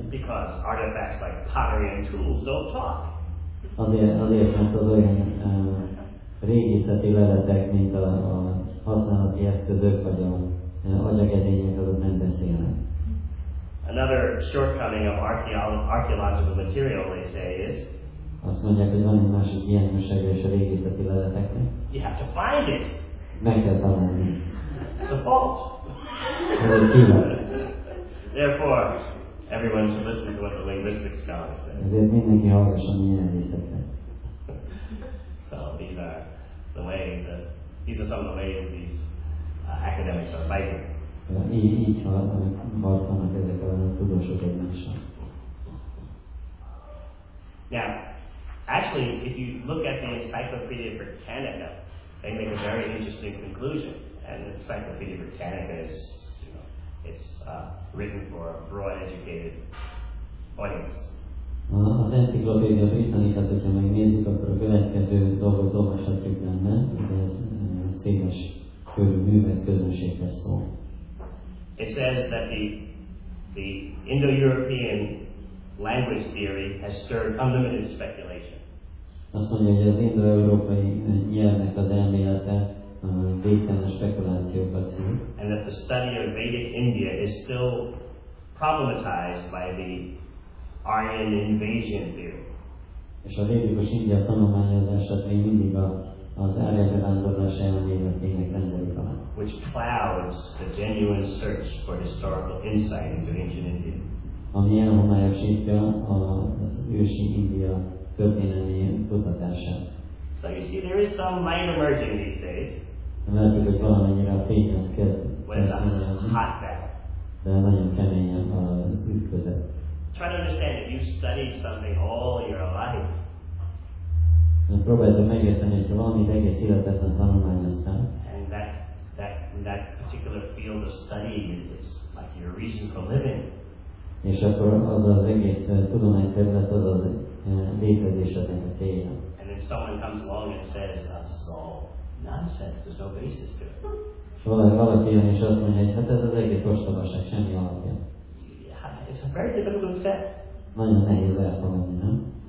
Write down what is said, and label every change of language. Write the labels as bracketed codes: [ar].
[en] Because artifacts like pottery and tools don't talk. [hu] Azért, mert az olyan régészeti leletek, mint a használati eszközök, vagy a agyagedények, azok nem beszélnek. [en] Another shortcoming of archaeological material, they say, is [hu] azt mondják, hogy van egy másik hiányossága is a régészeti leleteknek. [en] You have to find it. [hu] Meg kell találni. [en] It's a fault. [hu] Ez egy hiba. [en] Therefore, everyone should listen to what the linguistic scholars say. [hu] Ezért mindenki hallgasson a nyelvészeket. [en] So these are some of the ways these academics are fighting. [hu] Így harcolnak ezek a tudósok egymással. [en] Now, actually, if you look at the Encyclopedia Britannica, they make a very interesting conclusion. And the Encyclopedia Britannica is, you know, it's written for a broad educated audience. [hu] Az Encyclopedia Britannica, hogyha megnézzük, akkor a következő dolgot olvashatjuk benne, de ez széles körű művek közönséghez szól. [en] It says that the Indo-European language theory has stirred unlimited speculation. [hu] Azt mondja, hogy az indo-európai nyelvnek az elmélete végtelen spekulációkat szül. [en] And that the study of Vedic India is still problematized by the Aryan invasion theory. [hu] És a védikus India tanulmányozása még mindig az Aryan bevándorlás elméletének rendeli alá. [en] Which clouds the genuine search for historical insight into ancient India. [hu] Ami elhomályosítja az ősi India történelmi kutatását. [en] So you see, there is some light emerging these days. [hu] Mert hogy valamennyire a fény az kezd. [en] When it's a hot battle. [hu] De nagyon kemény az ütközet. [en] Try to understand if you study something all your life. [hu] Próbáltam megérteni, hogy valamit egész életetlen tanulmányoztam. [en] And that particular field of study is like your reason for living. [hu] És akkor az az egész tudomány terület az az létezésednek a célja. [en] And if someone comes along and says, that's all nonsense, there's no basis to it. [hu] Valaki jön és azt mondja, hát ez az egész ostobaság, semmi alapja. [en] Yeah, it's a very difficult to accept. [hu] Nagyon nehéz elfogadni, nem?